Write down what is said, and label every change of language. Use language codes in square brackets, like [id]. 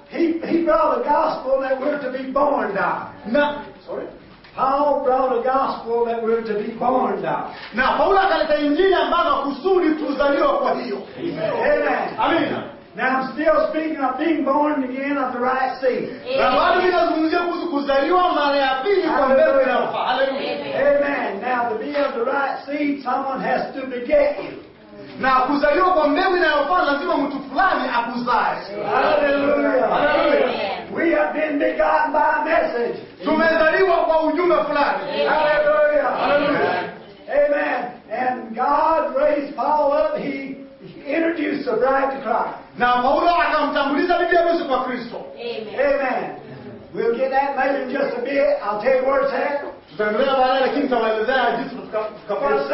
[en] He brought the gospel that we're to be born now. Paul brought a gospel that we're to be born of. [sw] Now, Paul akaleta injili ambayo kusudi tuzaliwe kwa hiyo. Amen. Amen. [en] Now, I'm still speaking of being born again of the right seed. [sw] Na bado ninazungumzia kuhusu kuzaliwa mara ya pili kwa mbegu inayofaa. Hallelujah. Amen. [en] Now, to be of the right seed, someone has to beget you. [sw] Na kuzaliwa kwa mbegu inayofaa lazima mtu fulani akuzae. Hallelujah. Hallelujah. [en] We have been begotten by a message. [sw] Tumezaliwa kwa ujumbe fulani. Hallelujah. Hallelujah. [en] Amen. And God raised Paul up. He introduced the bride to Christ. [sw] Na Paulo akamtanguliza bibi harusi kwa Kristo. Amen. [en] We'll get that later in just a bit. I'll tell you where it's at. [sw] Tutaendelea baadaye lakini tutaelezea jinsi tutakapofika.